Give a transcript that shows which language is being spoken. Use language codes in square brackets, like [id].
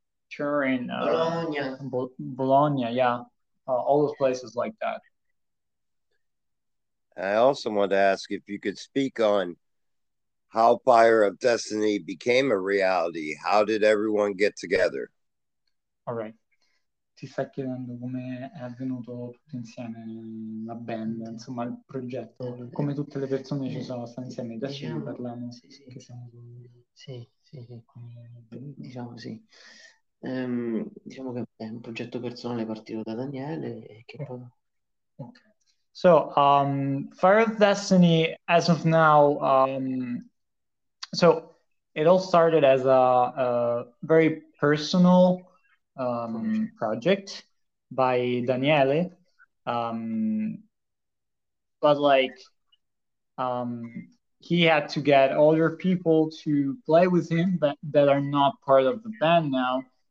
[en] Turin, Bologna. Bologna, yeah, all those places like that. I also want to ask if you could speak on how Fire of Destiny became a reality. How did everyone get together? All right. [it] Ti sta chiedendo come è avvenuto tutto insieme la band, insomma il progetto, come tutte le persone ci sono state insieme. Adesso diciamo, parliamo. Sì, sì. Che siamo... sì. Diciamo sì. Diciamo che è un progetto personale partito da Daniele e che poi. [en] Okay. So, Fire of Destiny, as of now, so it all started as a very personal project by Daniele, but like he had to get all your people to play with him that are not part of the band now.